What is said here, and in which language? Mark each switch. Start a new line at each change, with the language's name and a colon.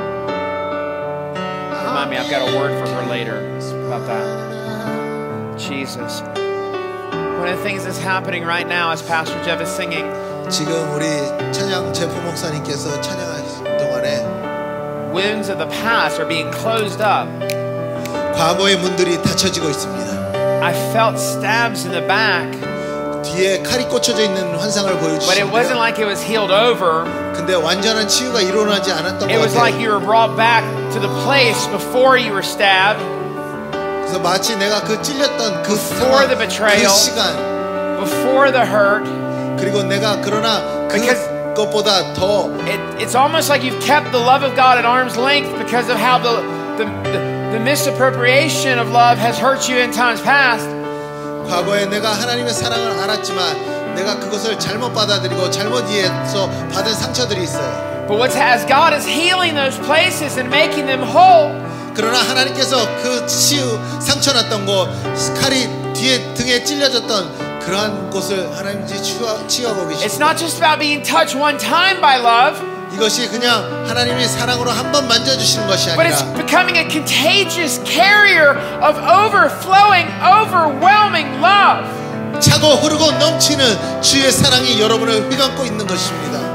English: got a word for her later about that. Jesus. One of the things that's happening right now as Pastor Jeff is singing.
Korean: 지금 우리 찬양 제프 목사님께서 찬양하신 동안에
English: Wounds of the past are being closed up.
Korean: 과거의 문들이 닫혀지고 있습니다.
English: I felt stabs in the back.
Korean: 뒤에 칼이 꽂혀져 있는 환상을 보여주시는데
English: But it wasn't like it was healed over.
Korean: 근데 완전한 치유가 일어나지 않았던 것 같아요.
English: It was like you were brought back to the place before you were stabbed.
Korean: 그래서 마치 내가 그 찔렸던 그
English: before 상황, the betrayal,
Korean: 그 시간,
English: before the hurt.
Korean: 그리고 내가 그러나 그것보다 더
English: It's almost like you've kept the love of God at arm's length because of how the misappropriation of love has hurt you in times past.
Korean: 과거에 내가 하나님의 사랑을 알았지만 내가 그것을 잘못 받아들이고 잘못 이해해서 받은 상처들이 있어요.
English: But what's as God is healing those places and making them whole.
Korean: 그러나 하나님께서 그 치유 상처 났던 곳 칼이 뒤에 등에 찔려졌던 그러한 곳을 하나님이 치유하고 계십니다.
English: It's not just about being touched one time by love.
Korean: 이것이 그냥 하나님이 사랑으로 한번 만져주시는 것이 아니라
English: But it's becoming a contagious carrier of overflowing, overwhelming love.
Korean: 차고 흐르고 넘치는 주의 사랑이 여러분을 휘감고 있는 것입니다.